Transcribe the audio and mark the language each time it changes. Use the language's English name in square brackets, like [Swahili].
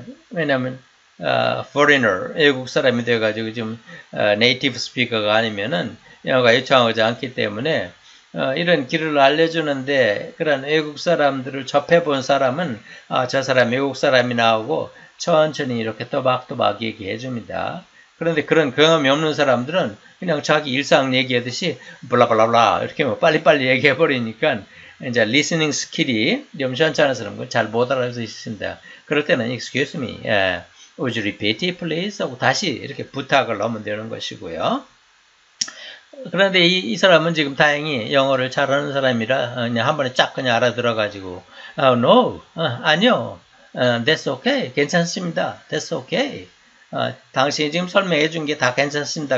[Korean] 왜냐하면 foreigner, 외국 사람이 돼가지고 지금 native speaker가 아니면은 영어가 유창하지 않기 때문에 이런 길을 알려주는데 그런 외국 사람들을 접해본 사람은 저 사람 외국 사람이 나오고 천천히 이렇게 또박또박 얘기해줍니다. 그런데 그런 경험이 없는 사람들은 그냥 자기 일상 얘기하듯이 블라블라블라 이렇게 뭐 빨리빨리 얘기해버리니까 이제 리스닝 스킬이 염시한지 않은 사람은 잘 못 알아듣습니다. 그럴 때는 [English] excuse me, would you repeat it please? [Korean] 하고 다시 이렇게 부탁을 하면 되는 것이고요. 그런데 이 사람은 지금 다행히 영어를 잘하는 사람이라 그냥 한 번에 쫙 그냥 알아들어가지고 no, 아니요. [English] That's okay. [Korean] 괜찮습니다. [English] That's okay. [Korean] 당신이 지금 설명해 준 게 다 괜찮습니다.